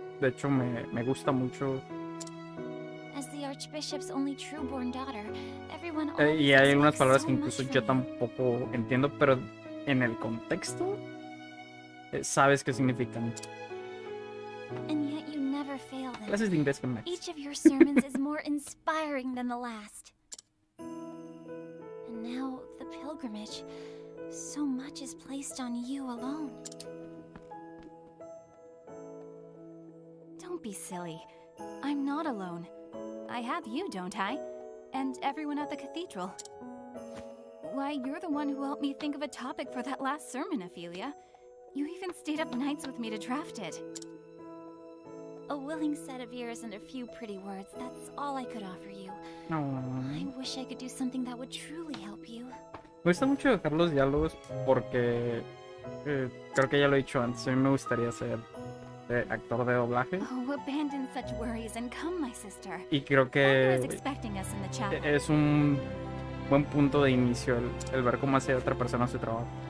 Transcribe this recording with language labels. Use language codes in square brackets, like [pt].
[es] De hecho, me gusta mucho. [en] Archbishop's only true-born daughter. Everyone. [es] Y hay algunas palabras que incluso yo tampoco entiendo, pero en el contexto sabes qué significan. [en] And yet you never fail them. [es] Clases de inglés con Max. [en] Each of your sermons is more inspiring than the last. And now the pilgrimage, so much is placed on you alone. Don't be silly. I'm not alone. I have you, don't I? And everyone at the cathedral. Why, you're the one who helped me think of a topic for that last sermon, Ophelia. You even stayed up nights with me to draft it. A willing set of ears and a few pretty words, that's all I could offer you. I wish I could do something that would truly help you. [es] Me gusta mucho dejar los diálogos porque creo que ya lo he dicho antes, me gustaría ser actor de doblaje. [en] Oh, abandon such worries and come, my sister. [es] Y creo que es un buen punto de inicio el ver cómo hace otra persona su trabajo.